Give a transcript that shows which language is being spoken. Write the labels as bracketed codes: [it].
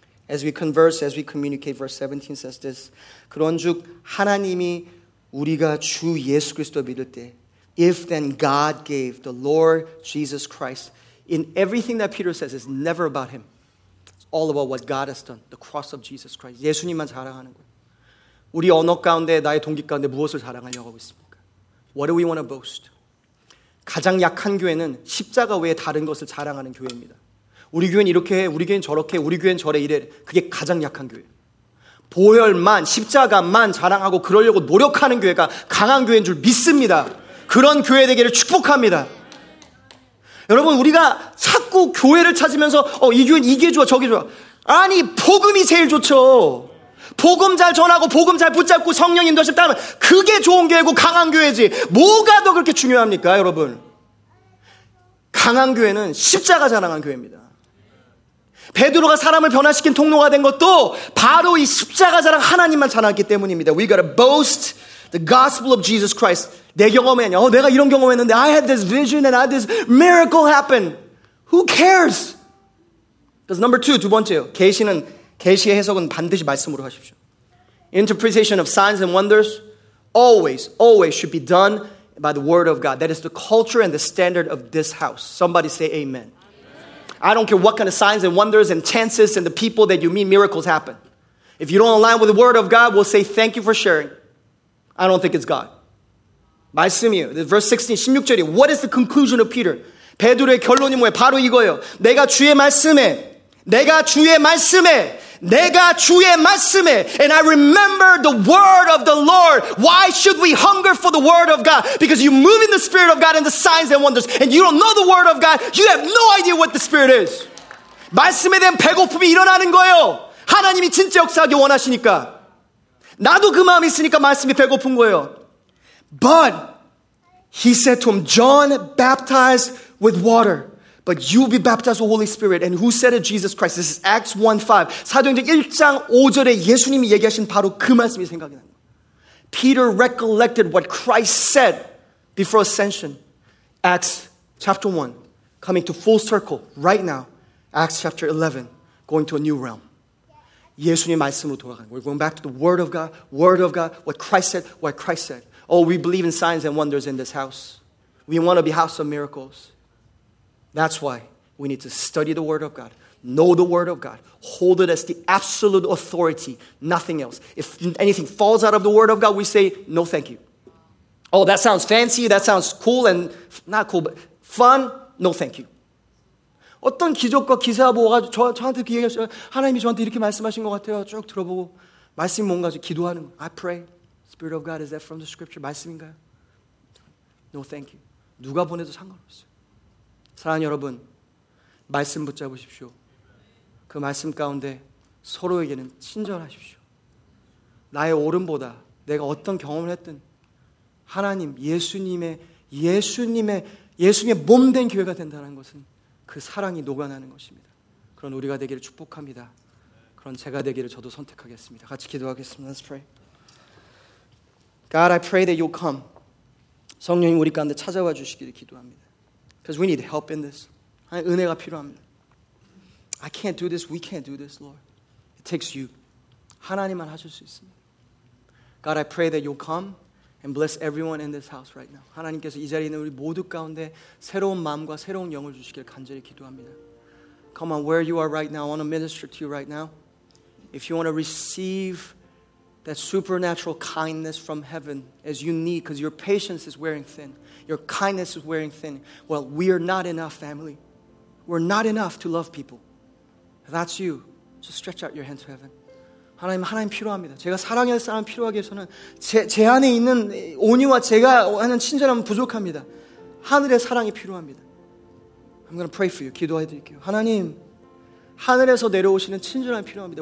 [en] As we converse, as we communicate, verse 17 says this. [ko] 그런즉 하나님이 우리가 주 예수 그리스도 믿을 때, [en] if then God gave the Lord Jesus Christ, in everything that Peter says is never about him. It's all about what God has done, the cross of Jesus Christ. [ko] 예수님만 자랑하는 거예요. 우리 언어 가운데, 나의 동기 가운데 무엇을 자랑하려고 하고 있습니까? [en] What do we want to boast? [ko] 가장 약한 교회는 십자가 외에 다른 것을 자랑하는 교회입니다. 우리 교회는 이렇게 해, 우리 교회는 저렇게 해, 우리 교회는 저래 이래. 그게 가장 약한 교회. 보혈만, 십자가만 자랑하고 그러려고 노력하는 교회가 강한 교회인 줄 믿습니다. 그런 교회 되기를 축복합니다. 여러분, 우리가 자꾸 교회를 찾으면서 이 교회는 이게 좋아, 저게 좋아. 아니, 복음이 제일 좋죠. 복음 잘 전하고 복음 잘 붙잡고 성령 인도하실 때는 그게 좋은 교회고 강한 교회지. 뭐가 더 그렇게 중요합니까, 여러분? 강한 교회는 십자가 자랑한 교회입니다. 베드로가 사람을 변화시킨 통로가 된 것도 바로 이 십자가 자랑 하나님만 자랑했기 때문입니다. [en] We gotta boast the gospel of Jesus Christ. [ko] 내 경험에 아니야. 내가 이런 경험했는데 [en] I had this vision and I had this miracle happen. Who cares? Because number two, [ko] 두 번째요. 계시의 해석은 반드시 말씀으로 하십시오. [en] Interpretation of signs and wonders always, always should be done by the word of God. That is the culture and the standard of this house. Somebody say amen. Amen. I don't care what kind of signs and wonders and chances and the people that you meet, miracles happen. If you don't align with the word of God, we'll say thank you for sharing. I don't think it's God. Verse 16, [ko] 16절이 [en] What is the conclusion of Peter? [ko] 베드로의 결론이 뭐예요? 바로 이거예요. 내가 주의 말씀에, 내가 주의 말씀에, 내가 주의 말씀에 [en] And I remember the word of the Lord. Why should we hunger for the word of God? Because you move in the spirit of God and the signs and wonders. And you don't know the word of God. You have no idea what the spirit is. [ko] 말씀에 대한 배고픔이 일어나는 거예요. 하나님이 진짜 역사하기 원하시니까. 나도 그 마음이 있으니까 말씀이 배고픈 거예요. [en] But he said to him, John baptized with water, but you'll be baptized with the Holy Spirit. And who said it? Jesus Christ. This is Acts 1:5. 사도행전 1장 5절에 예수님이 얘기하신 바로 그 말씀이 생각이 나요. Peter recollected what Christ said before ascension. Acts chapter 1, coming to full circle right now. Acts chapter 11, going to a new realm. [ko] 예수님 말씀으로 돌아가는 거예요. [en] We're going back to the word of God, what Christ said, Oh, we believe in signs and wonders in this house. We want to be house of miracles. That's why we need to study the word of God, know the word of God, hold it as the absolute authority, nothing else. If anything falls out of the word of God, we say, no, thank you. Oh, that sounds fancy. That sounds cool and not cool, but fun. No, thank you. [ko] 어떤 기적과 기사가 모아가지고 저한테 얘기하셔서 하나님이 저한테 이렇게 말씀하신 것 같아요. 쭉 들어보고 말씀이 뭔가 기도하는 거. [en] I pray. Spirit of God, is that from the scripture? [ko] 말씀인가요? [en] No, thank you. [ko] 누가 보내도 상관없어요. 사랑하는 여러분, 말씀 붙잡으십시오. 그 말씀 가운데 서로에게는 친절하십시오. 나의 오름보다 내가 어떤 경험을 했든 하나님, 예수님의 몸된 교회가 된다는 것은 그 사랑이 녹아나는 것입니다. 그런 우리가 되기를 축복합니다. 그런 제가 되기를 저도 선택하겠습니다. 같이 기도하겠습니다. [en] Let's pray. God, I pray that you'll come. [ko] 성령님 우리 가운데 찾아와 주시기를 기도합니다. [en] Because we need help in this. [ko] 은혜가 필요합니다. [en] I can't do this. We can't do this, Lord. It takes you. [ko] 하나님만 하실 수 있습니다. [en] God, I pray that you'll come and bless everyone in this house right now. [ko] 하나님께서 이 자리에 있는 우리 모두 가운데 새로운 마음과 새로운 영을 주시기를 간절히 기도합니다. [en] Come on, where you are right now, I want to minister to you right now. If you want to receive that supernatural kindness from heaven as you need, because your patience is wearing thin. Your kindness is wearing thin. Well, we are not enough, family. We're not enough to love people. If that's you, so stretch out your hand to heaven. [ko] 하나님, 하나님 필요합니다. 제가 사랑할 사람 필요하기 위해서는 제 안에 있는 온유와 제가 하는 친절함은 부족합니다. 하늘의 사랑이 필요합니다. [en] I'm going to pray for you. [ko] 기도해 드릴게요. 하나님, 하늘에서 내려오시는 친절함이 필요합니다.